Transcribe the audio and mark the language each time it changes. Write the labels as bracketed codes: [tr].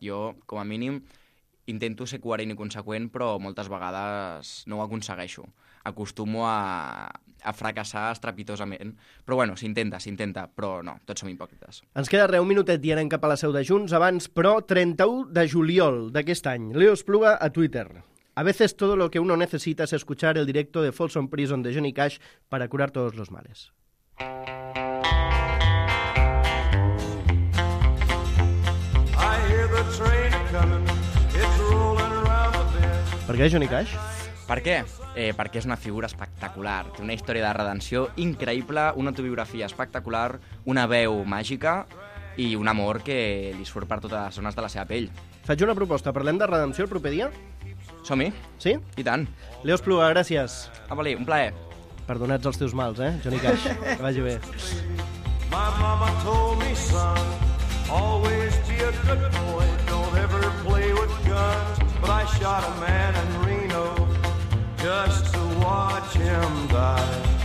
[ca] Jo, com a mínim, intento ser coherent i conseqüent, però moltes vegades no ho aconsegueixo. Acostumo a fracassar estrepitosament. Però bueno, s'intenta, però no, tots som hipòcrites. Ens queda re un minutet i anem cap a la seu de Junts abans, però 31 de juliol d'aquest any. Leo Espluga a Twitter. [es] A veces todo lo que uno necesita es escuchar el directo de Folsom Prison de Johnny Cash para curar todos los males. [en] I hear the train coming, it's rolling around the bend. [ca] Per què Johnny Cash? Per què? Perquè és una figura espectacular. Té una història de redenció increïble, una autobiografia espectacular, una veu màgica i un amor que li surt per totes les zones de la seva pell. Faig una proposta. Parlem de redenció el proper dia? Som-hi. Sí? I tant. Leo Espluga, gràcies. Apa, Leo, un plaer. Perdonats els teus mals, eh? Johnny Cash. Que vagi bé. [en] My mama told me, son, always be a good boy, don't ever play with guns, but I shot a man in Reno. Just to watch him die.